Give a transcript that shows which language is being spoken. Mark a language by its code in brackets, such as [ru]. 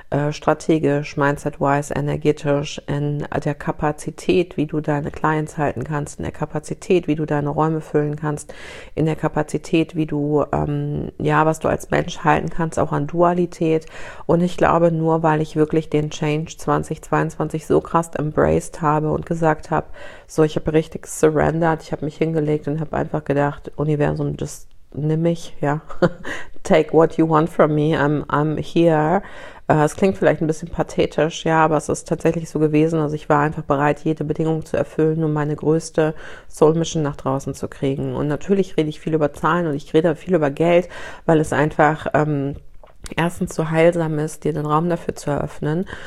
[de] strategisch, mindset-wise, energetisch, in der Kapazität, wie du deine Clients halten kannst, in der Kapazität, wie du deine Räume füllen kannst, in der Kapazität, wie du, ja, was du als Mensch halten kannst, auch an Dualität. Und ich glaube, nur weil ich wirklich den Change 2022 so krass embraced habe und gesagt habe, so, ich habe richtig surrendered, ich habe mich hingelegt und habe einfach gedacht, Universum, just nimm mich, ja. [en] Take what you want from me, I'm here. [de] Es klingt vielleicht ein bisschen pathetisch, ja, aber es ist tatsächlich so gewesen. Also ich war einfach bereit, jede Bedingung zu erfüllen, um meine größte Soul Mission nach draußen zu kriegen. Und natürlich rede ich viel über Zahlen und ich rede viel über Geld, weil es einfach erstens so heilsam ist, dir den Raum dafür zu eröffnen.